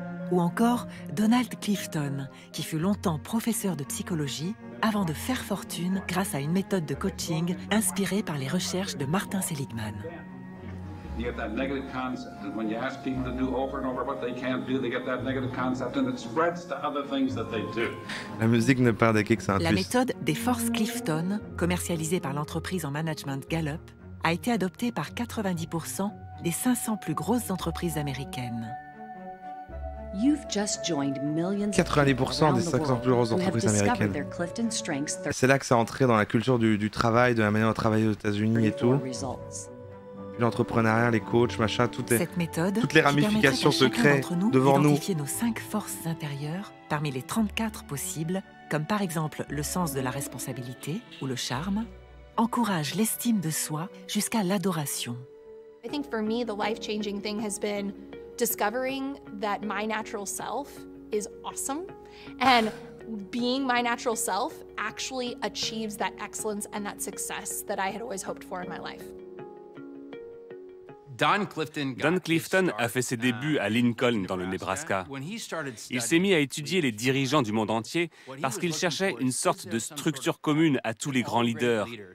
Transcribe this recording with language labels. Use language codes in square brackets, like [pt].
[fr] Ou encore Donald Clifton, qui fut longtemps professeur de psychologie, avant de faire fortune grâce à une méthode de coaching inspirée par les recherches de Martin Seligman. [en] You get that negative concept, and when you ask people to do over and over what they can't do, they get that negative concept, and it spreads to other things that they do. [fr] La musique ne parle que ça. La méthode des forces Clifton, commercialisée par l'entreprise en management Gallup, a été adoptée par 90% des 500 plus grosses entreprises américaines. 90% des 500 plus grosses entreprises américaines. C'est là que ça a entré dans la culture du travail, de la manière de travailler aux États-Unis et tout. L'entrepreneuriat, les coachs, machin, toutes les ramifications se créent devant nous. Identifier nos 5 forces intérieures parmi les 34 possibles, comme par exemple le sens de la responsabilité ou le charme, encourage l'estime de soi jusqu'à l'adoration. [en] I think for me the life-changing thing has been discovering that my natural self is awesome and being my natural self actually achieves that excellence and that success that I had always hoped for in my life. [fr] Don Clifton a fait ses débuts à Lincoln, dans le Nebraska. Il s'est mis à étudier les dirigeants du monde entier parce qu'il cherchait une sorte de structure commune à tous les grands leaders.